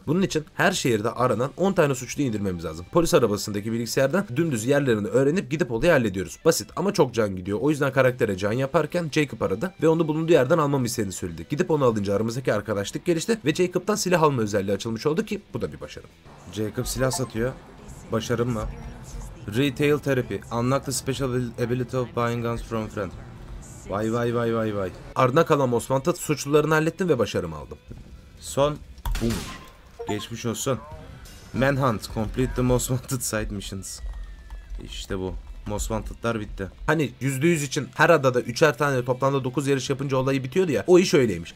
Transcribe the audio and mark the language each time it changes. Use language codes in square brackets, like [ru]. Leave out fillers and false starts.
[tr] Bunun için her şehirde aranan 10 tane suçlu indirmemiz lazım. Polis arabasındaki bilgisayardan dümdüz yerlerini öğrenip gidip olayı hallediyoruz. Basit ama çok can gidiyor. O yüzden karaktere can yaparken Jacob aradı ve onu bulunduğu yerden almamı istediğini söyledi. Gidip onu alınca aramızdaki arkadaşlık gelişti ve Jacob'tan silah alma özelliği açılmış oldu ki bu da bir başarı. Jacob silah satıyor. Başarım mı? Retail Therapy. [en] Unlock the special ability of buying guns from friend. [tr] Vay vay vay vay vay. Ardına kalan Most Wanted suçlularını hallettim ve başarımı aldım. Son. Boom. Geçmiş olsun. Manhunt. [en] Complete the Most Wanted side missions. [tr] İşte bu. Most Wanted'lar bitti. Hani %100 için her adada 3'er tane toplamda 9 yarış yapınca olayı bitiyordu ya. O iş öyleymiş.